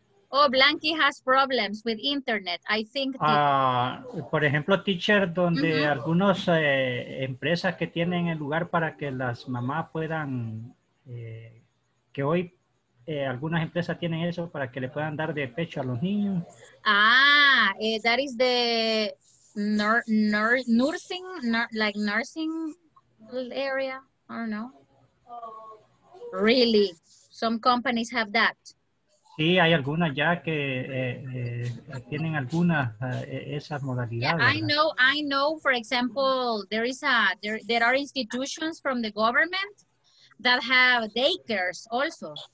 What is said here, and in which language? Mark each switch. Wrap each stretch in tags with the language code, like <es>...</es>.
<en>Oh, Blanky has problems with internet, I think.</en> <es>Por ejemplo, teacher, donde uh-huh. algunas empresas que tienen el lugar para que las mamás puedan, que hoy algunas empresas tienen eso para que le puedan dar de pecho a los niños.</es> <en>That is the nursing, like nursing area, I don't know. Really, some companies have that.</en> <es>Sí, hay algunas ya que tienen algunas esas modalidades.</es> <en>Yeah, I know. For example, there are institutions from the government that have daycares also.</en>